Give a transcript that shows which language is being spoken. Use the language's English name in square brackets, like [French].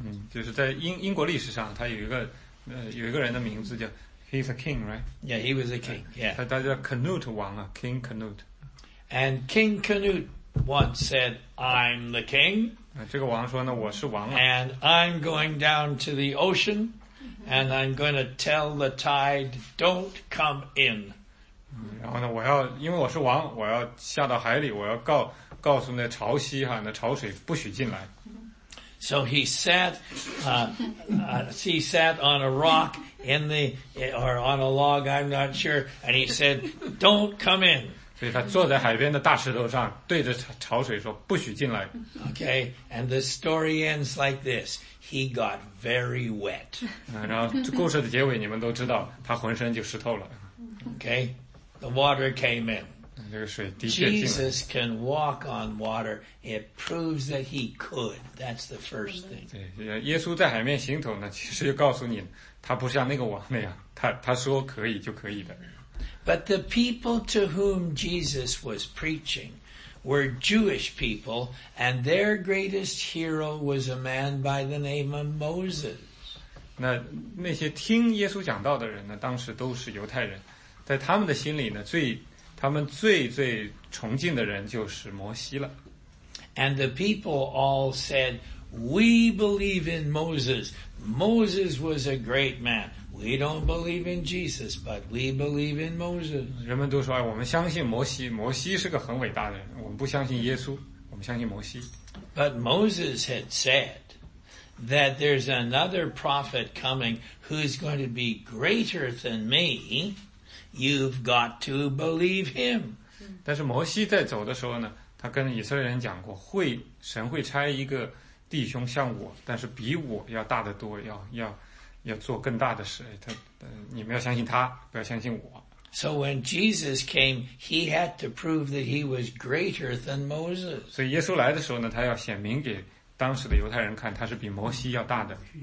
[Chinese] 就是在英国历史上，他有一个人的名字叫 [English] He's a king, right? Yeah, he was a king. Yeah. [Chinese] 他叫 Canute 王啊 ，King Canute. [English] And King Canute once said, "I'm the king." [Chinese] 这个王说呢，我是王啊。 [English] And I'm going down to the ocean. And I'm going to tell the tide, don't come in. [Chinese] 然后呢，我要因为我是王，我要下到海里，我要告诉那潮汐哈，那潮水不许进来。 [English] So he sat, he sat on a rock in the or on a log, I'm not sure, and he said, "Don't come in." [Chinese] 所以他坐在海边的大石头上，对着潮水说，不许进来。 [English] Okay, and the story ends like this. He got very wet. [Chinese] 然后故事的结尾你们都知道，他浑身就湿透了。 [English] Okay, the water came in. [Chinese] 这个水的确进来。 [English] Jesus can walk on water. It proves that he could. That's the first thing. [Chinese] 对，耶稣在海面行走呢，其实就告诉你，他不像那个王那样，他说可以就可以的。 [English] But the people to whom Jesus was preaching. Were Jewish people, and their greatest hero was a man by the name of Moses. [Chinese] 那些听耶稣讲道的人呢，当时都是犹太人，在他们的心里呢，他们最崇敬的人就是摩西了。 [English] And the people all said, "We believe in Moses. Moses was a great man. We don't believe in Jesus, but we believe in Moses." [Chinese] 人们都说，哎，我们相信摩西，摩西是个很伟大的人。不相信耶稣，我们相信摩西。 [English] But Moses had said that there's another prophet coming who's going to be greater than me. You've got to believe him. [Chinese] 但是摩西在走的时候呢，他跟以色列人讲过，神会差一个弟兄像我，但是比我要大得多，要做更大的事。你们要相信他，不要相信我。 [English] So when Jesus came, he had to prove that he was greater than Moses. [Chinese] 所以耶稣来的时候呢，他要显明给当时的犹太人看，他是比摩西要大的。